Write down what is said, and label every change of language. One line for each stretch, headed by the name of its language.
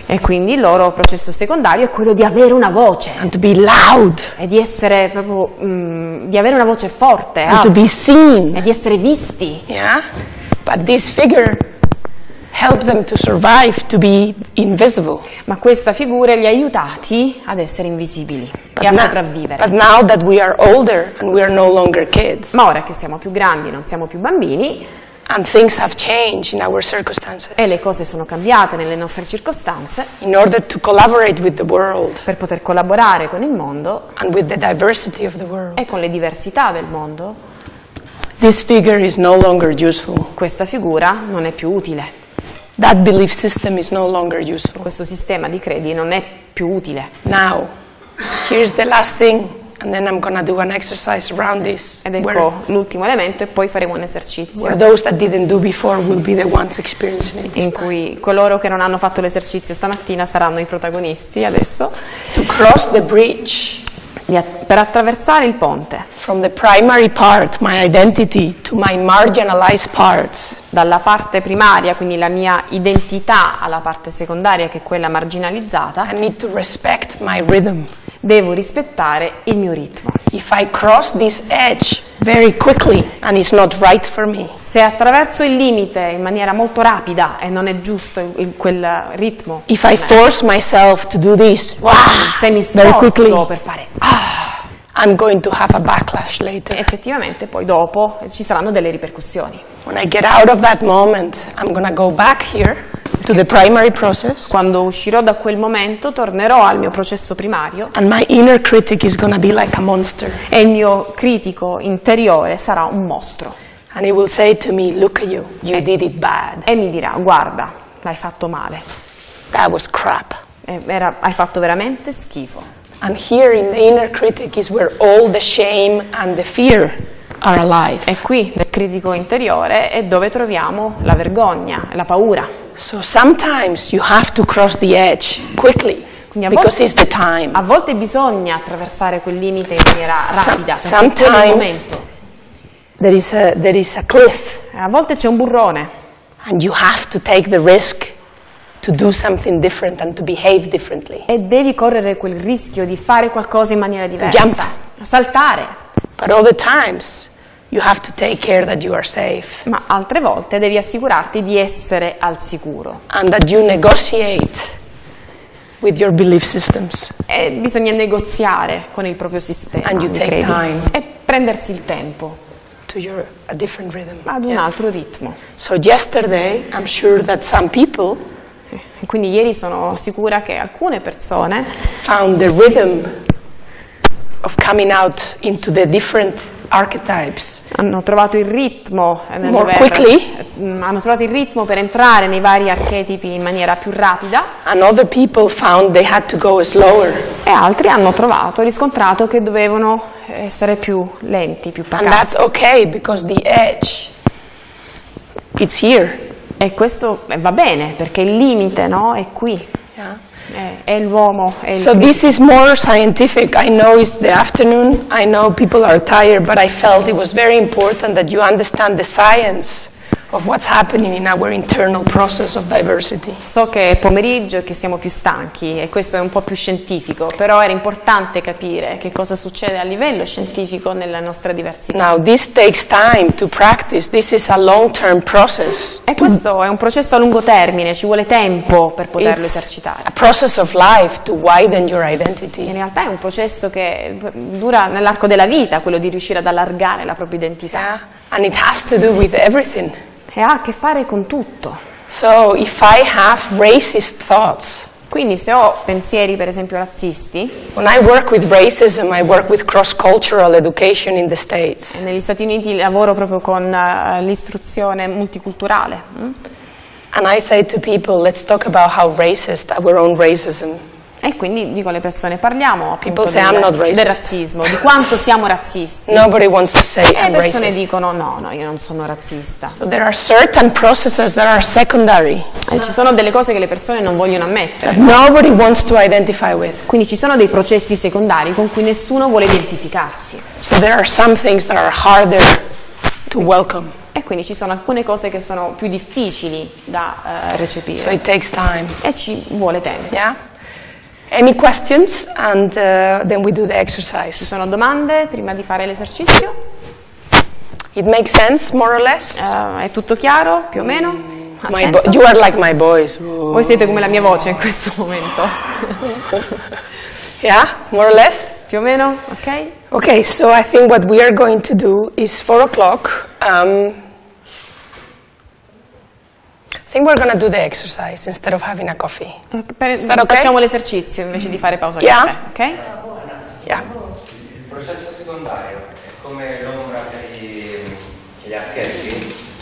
Italian: E quindi il loro processo secondario è quello di avere una voce.
English: And to be loud.
Italian: E di essere proprio di avere una voce forte.
English: And to be seen.
Italian: E di essere visti.
English: Yeah. But this figure helped them to survive, to be invisible.
Italian: Ma questa figura li ha aiutati ad essere invisibili
English: but
Italian: e a sopravvivere.
English: But now that we are older and we are no longer kids.
Italian: Ma ora che siamo più grandi, non siamo più bambini.
English: And things have changed in our circumstances.
Italian: E le cose sono cambiate nelle nostre circostanze.
English: In order to collaborate with the world.
Italian: Per poter collaborare con il mondo.
English: And with the diversity of the world.
Italian: E con le diversità del mondo.
English: This figure is no longer useful.
Italian: Questa figura non è più utile.
English: That belief system is no longer useful.
Italian: Questo sistema di credi non è più utile.
English: Now, here's the last thing. And then I'm gonna do an exercise around this.
Italian: Ed ecco where, l'ultimo elemento e poi faremo un esercizio.
English: Where those that didn't do before will be the ones experiencing it this time.
Italian: In cui coloro che non hanno fatto l'esercizio stamattina saranno i protagonisti adesso.
English: To cross the bridge.
Italian: Per attraversare il ponte.
English: From the primary part, my identity, to my marginalized parts.
Italian: Dalla parte primaria, quindi la mia identità, alla parte secondaria, che è quella marginalizzata.
English: I need to respect my rhythm.
Italian: Devo rispettare il mio ritmo.
English: If I cross this edge very quickly and it's not right for me.
Italian: Se attraverso il limite in maniera molto rapida e non è giusto quel ritmo.
English: If I force myself to do this,
Italian: se mi sforzo per fare
English: I'm going to have a backlash later.
Italian: Effettivamente poi dopo ci saranno delle ripercussioni.
English: When I get out of that moment, I'm gonna go back here. To the primary process.
Italian: Quando uscirò da quel momento tornerò al mio processo primario.
English: And my inner critic is gonna be like a monster.
Italian: E il mio critico interiore sarà un mostro.
English: And he will say to me, look at you, you did it bad.
Italian: E mi dirà, guarda, l'hai fatto male.
English: That was crap.
Italian: Hai fatto veramente schifo.
English: And here in the inner critic is where all the shame and the fear are alive.
Italian: E qui nel critico interiore è dove troviamo la vergogna, la paura.
English: So sometimes you have to cross the edge quickly because it's the time.
Italian: A volte bisogna attraversare quel limite in maniera rapida.
English: Sometimes there is a cliff.
Italian: A volte c'è un burrone.
English: And you have to take the risk to do something different and to behave differently.
Italian: E devi correre quel rischio di fare qualcosa in maniera diversa.
English: Jump.
Italian: Saltare.
English: But other times you have to take care that you are safe.
Italian: Ma altre volte devi assicurarti di essere al sicuro.
English: And that you negotiate with your belief systems.
Italian: E bisogna negoziare con il proprio sistema.
English: And you take time.
Italian: E prendersi il tempo.
English: To your a different rhythm.
Italian: Ad un altro ritmo.
English: So yesterday, I'm sure that some people.
Italian: E quindi ieri sono sicura che alcune persone.
English: Found the rhythm of coming out into the different archetypes.
Italian: Hanno trovato il ritmo
English: more quickly.
Italian: Hanno trovato il ritmo per entrare nei vari archetipi in maniera più rapida.
English: And other people found they had to go slower.
Italian: E altri hanno trovato, riscontrato che dovevano essere più lenti, più pacati.
English: And that's okay because the edge it's here.
Italian: E questo va bene perché il limite, no, è qui.
English: Yeah.
Italian: È l'uomo.
English: So this is more scientific. I know it's the afternoon. I know people are tired, but I felt it was very important that you understand the science of what's happening in our internal process of diversity.
Italian: So che è pomeriggio e che siamo più stanchi, e questo è un po' più scientifico, però era importante capire che cosa succede a livello scientifico nella nostra diversità.
English: Now this takes time to practice. This is a long-term process.
Italian: E questo è un processo a lungo termine, ci vuole tempo per poterlo esercitare.
English: A process of life to widen your identity.
Italian: In realtà è un processo che dura nell'arco della vita, quello di riuscire ad allargare la propria identità.
English: And it has to do with everything.
Italian: E ha a che fare con tutto.
English: So if I have racist thoughts,
Italian: quindi se ho pensieri per esempio razzisti,
English: when I work with racism, I work with cross-cultural education in the States.
Italian: E negli Stati Uniti lavoro proprio con l'istruzione multiculturale.
English: And I say to people, let's talk about how racist our own racism.
Italian: E quindi dico alle persone, parliamo appunto del razzismo, di quanto siamo razzisti.
English: Nobody wants to say
Italian: e le persone
English: racist.
Italian: Dicono, no, io non sono razzista.
English: So there are certain processes that are secondary.
Italian: E ci sono delle cose che le persone non vogliono ammettere.
English: Nobody wants to identify with.
Italian: Quindi ci sono dei processi secondari con cui nessuno vuole identificarsi.
English: So there are some things that are harder to welcome.
Italian: E quindi ci sono alcune cose che sono più difficili da recepire.
English: So it takes time.
Italian: E ci vuole tempo.
English: Yeah? Any questions? And then we do the exercise.
Italian: Ci sono domande prima di fare l'esercizio?
English: It makes sense, more or less.
Italian: È tutto chiaro, più o meno?
English: You are like my boys. Ooh.
Italian: Voi siete come la mia voce in questo momento.
English: Yeah, more or less.
Italian: Più o meno, okay?
English: Okay, so I think what we are going to do is 4 o'clock. I think we're going to do the exercise instead of having a coffee. Is that okay?
Italian: Facciamo l'esercizio invece di fare pausa caffè, ok?
English: Yeah.
Italian: Il processo secondario è come l'ombra per gli archetipi.